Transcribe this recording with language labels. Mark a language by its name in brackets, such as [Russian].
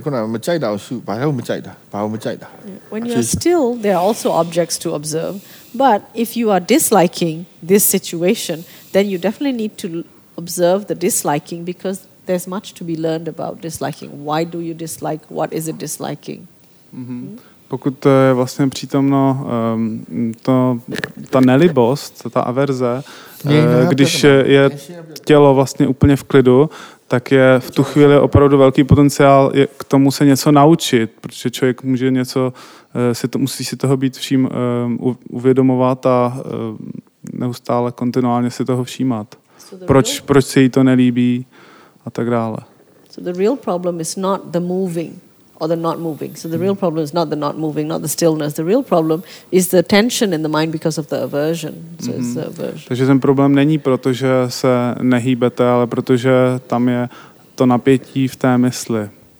[English] When you are still, there are also objects to observe. But if you are disliking this situation, then you definitely need to observe the disliking because there's much to be learned about disliking. Why do you dislike? What is it disliking? Mm-hmm. [Czech] Pokud je vlastně přítomno to, ta nelibost, ta averze, když je tělo vlastně úplně v klidu, tak je v tu chvíli opravdu velký potenciál k tomu se něco naučit, protože člověk může něco, musí si toho být vším uvědomovat a neustále kontinuálně si toho všímat. Proč se jí to nelíbí a tak dále. [English] So the real problem is not the moving or the not moving. So the real problem is not the not moving, not the stillness. The real problem is the tension in the mind because of the aversion. So it's the aversion. [Czech] Takže ten problém není proto, že se nehýbete, ale protože tam je to napětí v té mysli.